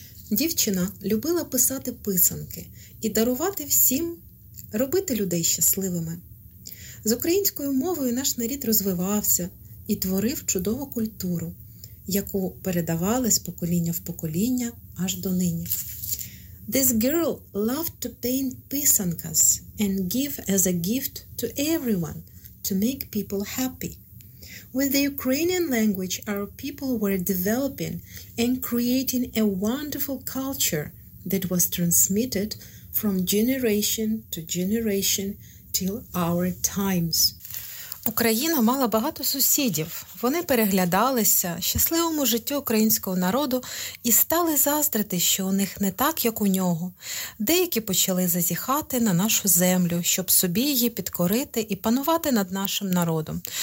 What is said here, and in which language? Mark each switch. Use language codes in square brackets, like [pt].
[uk] Дівчина любила писати писанки і дарувати всім, робити людей щасливими. З українською мовою наш народ розвивався і творив чудову культуру, яку передавали з покоління в покоління аж до нині. [en] This girl loved to paint писанкас and give as a gift to everyone to make people happy. With the Ukrainian language, our people were developing and creating a wonderful culture that was transmitted from generation to generation till our times. [uk] Україна мала багато сусідів. Вони переглядалися щасливому життю українського народу і стали заздрити, що у них не так, як у нього. Деякі почали зазіхати на нашу землю, щоб собі її підкорити і панувати над нашим народом.